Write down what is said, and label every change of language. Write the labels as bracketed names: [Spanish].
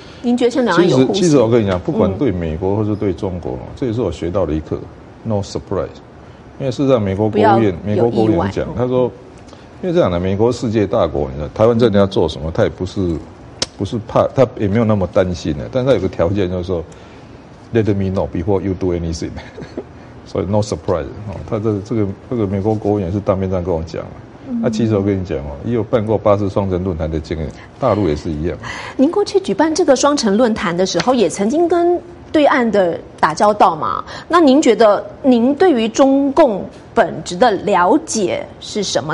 [Chinese] 您觉得现在两岸有互信？其实我跟你讲，不管对美国或是对中国，这也是我学到的一课 [English] no surprise。 [Chinese] 因为事实上美国国务院讲他说，因为这样的美国世界大国，你知道台湾真的要做什么他也不是怕，他也没有那么担心的。但是他有个条件，就是说 [English] Let me know before you do anything， [Chinese] 所以 [English] no surprise。 [Chinese] 他这个美国国务院是当面这样跟我讲了。其实我跟你讲也有办过八次双城论坛的经验，大陆也是一样。您过去举办这个双城论坛的时候，也曾经跟对岸的打交道嘛？那您觉得您对于中共本质的了解是什么？